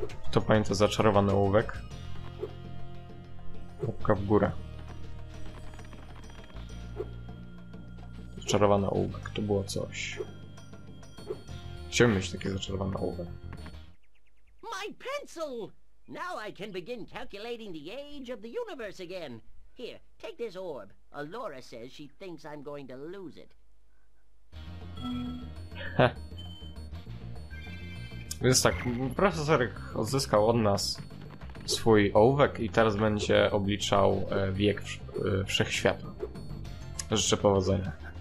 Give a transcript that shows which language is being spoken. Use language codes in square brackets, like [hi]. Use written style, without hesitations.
[pl] Kto pamięta zaczarowany ołówek? Łapka w górę. Zaczarowany ołówek, to było coś. Chciałbym mieć takie zaczarowane ołówek. [en] My pencil! Now I can begin calculating the age of the universe again. Here, take this orb. Alora says she thinks I'm going to lose it. [pl] Więc tak, profesorek odzyskał od nas swój ołówek i teraz będzie obliczał wiek wszechświata. Życzę powodzenia.